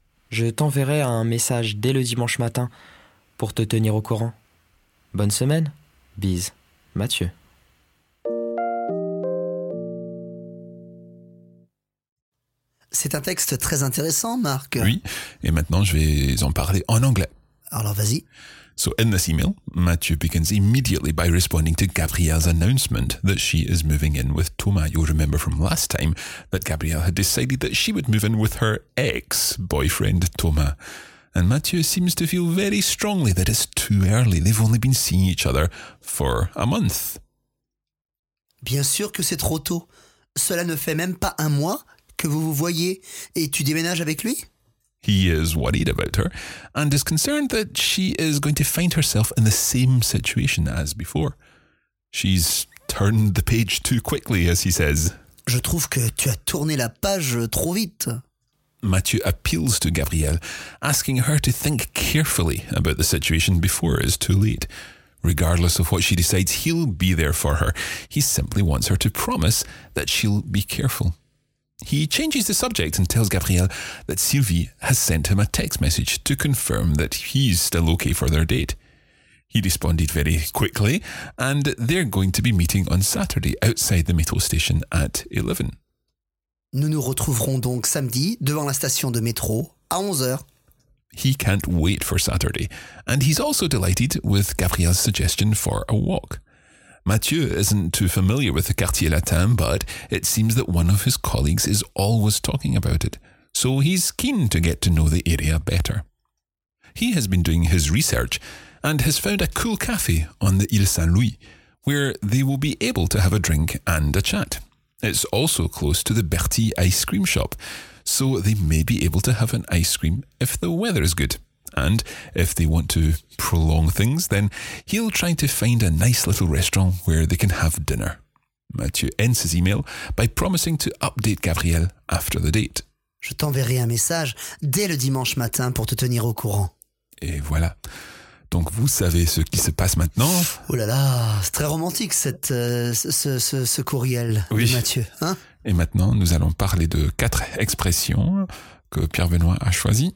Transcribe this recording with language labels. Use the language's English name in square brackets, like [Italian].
[French] Je t'enverrai un message dès le dimanche matin pour te tenir au courant. Bonne semaine. Bise, Mathieu. C'est un texte très intéressant, Marc. Oui, et maintenant je vais en parler en anglais. Alors vas-y. [English] So in this email, Mathieu begins immediately by responding to Gabrielle's announcement that she is moving in with Thomas. You'll remember from last time that Gabrielle had decided that she would move in with her ex-boyfriend, Thomas. And Mathieu seems to feel very strongly that it's too early. They've only been seeing each other for a month. [French] Bien sûr que c'est trop tôt. Cela ne fait même pas un mois que vous vous voyez et tu déménages avec lui? [English] He is worried about her and is concerned that she is going to find herself in the same situation as before. She's turned the page too quickly, as he says. [French] Je trouve que tu as tourné la page trop vite. [English] Mathieu appeals to Gabrielle, asking her to think carefully about the situation before it is too late. Regardless of what she decides, he'll be there for her. He simply wants her to promise that she'll be careful. He changes the subject and tells Gabrielle that Sylvie has sent him a text message to confirm that he's still okay for their date. He responded very quickly, and they're going to be meeting on Saturday outside the métro station at 11. [French] Nous nous retrouverons donc samedi devant la station de métro à 11h. [English] He can't wait for Saturday, and he's also delighted with Gabrielle's suggestion for a walk. Mathieu isn't too familiar with the Quartier Latin, but it seems that one of his colleagues is always talking about it, so he's keen to get to know the area better. He has been doing his research and has found a cool cafe on the Île Saint-Louis, where they will be able to have a drink and a chat. It's also close to the Bertille ice cream shop, so they may be able to have an ice cream if the weather is good. And if they want to prolong things, then he'll try to find a nice little restaurant where they can have dinner. Mathieu ends his email by promising to update Gabrielle after the date. [French] Je t'enverrai un message dès le dimanche matin pour te tenir au courant. Et voilà. Donc vous savez ce qui se passe maintenant. Oh là là, c'est très romantique ce courriel, oui, de Mathieu. Hein? Et maintenant, nous allons parler de quatre expressions que Pierre Benoît a choisi.